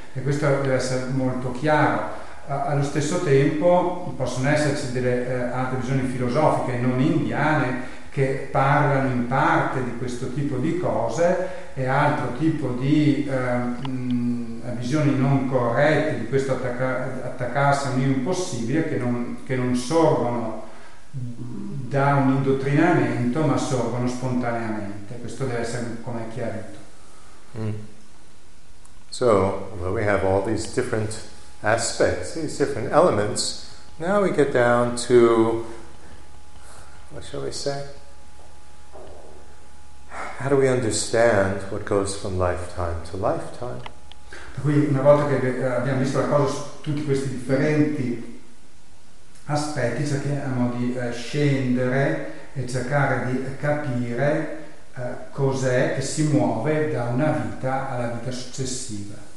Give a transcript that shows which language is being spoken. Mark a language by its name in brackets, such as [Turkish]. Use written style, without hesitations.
[Italian] E questo deve essere molto chiaro. Allo stesso tempo possono esserci delle altre visioni filosofiche non indiane che parlano in parte di questo tipo di cose, e altro tipo di visioni non corrette di questo attaccarsi a un io impossibile che non sorgono da un indottrinamento, ma sorgono spontaneamente. Questo deve essere come chiarito. [English] So, well, we have all these different aspects, these different elements. Now we get down to, what shall we say? How do we understand what goes from lifetime to lifetime? [Italian] Qui una volta che abbiamo visto la cosa, tutti questi differenti aspetti, cerchiamo di scendere e cercare di capire cos'è che si muove da una vita alla vita successiva.